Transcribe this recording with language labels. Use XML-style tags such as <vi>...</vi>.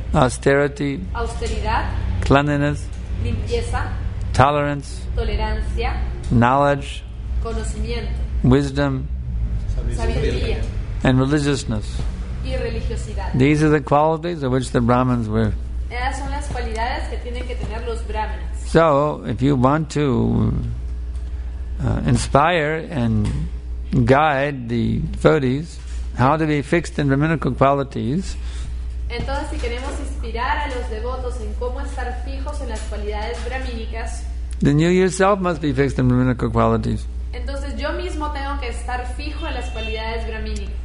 <en>austerity,</en> <es>austeridad,</es> <en>cleanliness,</en> <es>limpieza,</es> <en>tolerance,</en> <es>tolerancia,</es> <en>knowledge,</en> <es>conocimiento,</es> <en>wisdom,</en> <es>sabiduría,</es> <en>and religiousness.</en> <es>Y religiosidad.</es> <en>These are the qualities of which the Brahmins were.</en> <es>Esas son las cualidades que tienen que tener los Brahmins.</es> <en>So, if you want to inspire and guide the devotees how to be fixed in brahminical qualities.</en> <es>Entonces, si queremos inspirar a los devotos en cómo estar fijos en las cualidades brahmínicas,</es> <en>then you yourself must be fixed in brahminical qualities.</en> <es>Entonces, yo mismo tengo que estar fijo en las cualidades brahmínicas.</es>